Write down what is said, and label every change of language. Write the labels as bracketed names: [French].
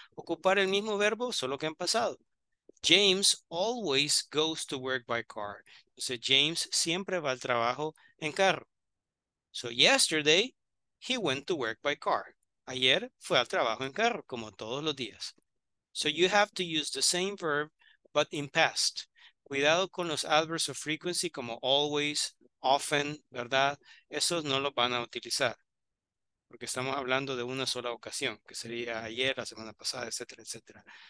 [Spanish] Ocupar el mismo verbo, solo que en pasado. [English] James always goes to work by car. So James [Spanish] siempre va al trabajo en carro. [English] So yesterday, he went to work by car. [Spanish] Ayer fue al trabajo en carro, como todos los días. [English] So you have to use the same verb, but in past. [Spanish] Cuidado con los adverbs of frequency como always, often, ¿verdad? Esos no los van a utilizar. Porque estamos hablando de una sola ocasión, que sería ayer, la semana pasada, etcétera, etcétera.